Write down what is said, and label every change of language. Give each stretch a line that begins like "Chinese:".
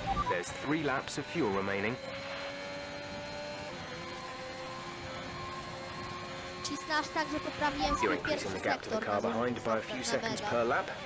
English: There's three laps of fuel remaining.
Polish: Cisnasz tak, że poprawiłem swój pierwszy sektor.
English: You're increasing the gap to the car behind by a few seconds per lap.